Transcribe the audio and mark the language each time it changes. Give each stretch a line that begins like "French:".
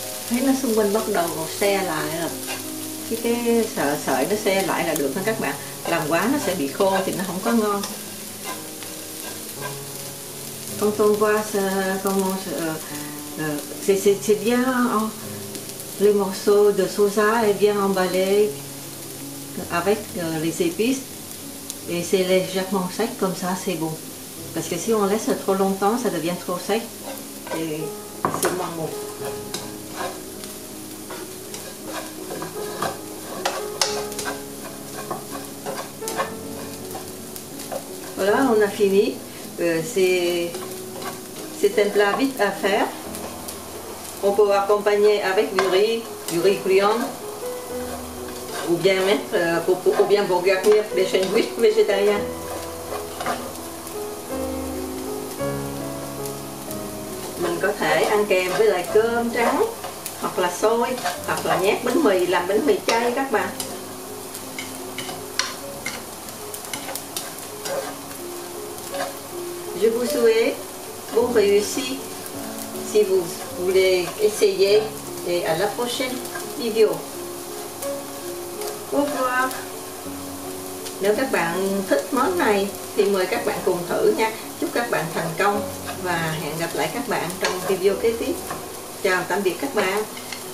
Vietnamese: Thấy nó xung quanh bắt đầu xe lại rồi, cái sợi nó xe lại là được thôi các bạn. Làm quá nó sẽ bị khô thì nó không có ngon.
French: Quand on voit ça, comment c'est bien, hein? Les morceaux de soja est bien emballé avec les épices et c'est légèrement sec comme ça, c'est bon. Parce que si on laisse trop longtemps, ça devient trop sec et c'est moins bon. Voilà, on a fini. C'est un plat vite à faire. On peut accompagner avec du riz couillon, ou bien mettre ou bien garnir des sandwichs végétariens.
Vietnamese: Mình có thể ăn kèm với lại cơm trắng, hoặc là xôi, hoặc là nhét bánh mì, làm bánh mì chay các bạn.
French: Je vous souhaite bon réussite si vous voulez essayer et à la prochaine vidéo. Au revoir.
Vietnamese: Nếu các bạn thích món này thì mời các bạn cùng thử nha. Chúc các bạn thành công và hẹn gặp lại các bạn trong video kế tiếp. Chào tạm biệt các bạn.